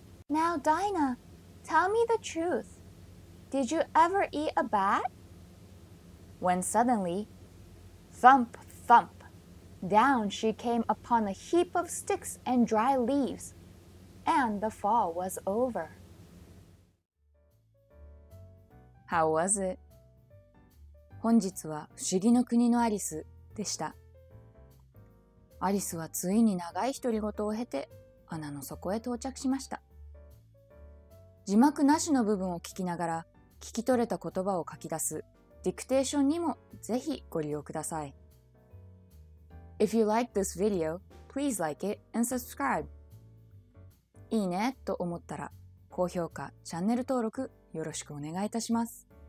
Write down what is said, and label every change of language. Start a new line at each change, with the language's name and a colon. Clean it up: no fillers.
English: Now, Dinah,Tell me the truth. Did you ever eat a bat? When suddenly, thump, thump, down she came upon a heap of sticks and dry leaves, and the fall was over. How was it?
Japanese: 本日は不思議の国のアリスでした。アリスはついに長い独り言を経て、穴の底へ到着しました。字幕なしの部分を聞きながら、聞き取れた言葉を書き出すディクテーションにもぜひご利用ください。
English: If you like this video, please like it and subscribe.
Japanese: いいねと思ったら、高評価、チャンネル登録よろしくお願いいたします。